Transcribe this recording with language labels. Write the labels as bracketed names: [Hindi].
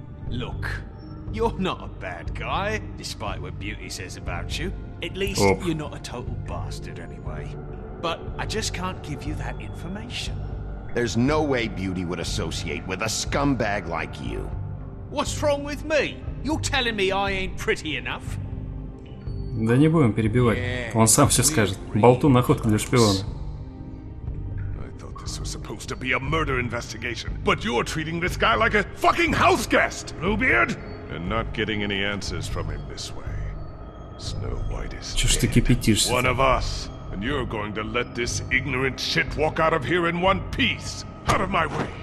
[English] Look, you're not a bad guy, despite what Beauty says about you. At least you're not a total bastard anyway. But I just can't give you that information. There's no way Beauty would associate with a scumbag like you. What's wrong with me? You're telling me I ain't pretty enough? [Russian] Да не будем перебивать. Yeah, Он сам все скажет. Болтун находка для шпиона. [English] I thought this was supposed to be a murder investigation, but you're treating this guy like a fucking house guest, Bluebeard, and not getting any answers from him this way. Snow White is [Russian] Чё ж ты кипятишься? [English] One of us. And you're going to let this ignorant shit walk out of here in one piece. Out of my way.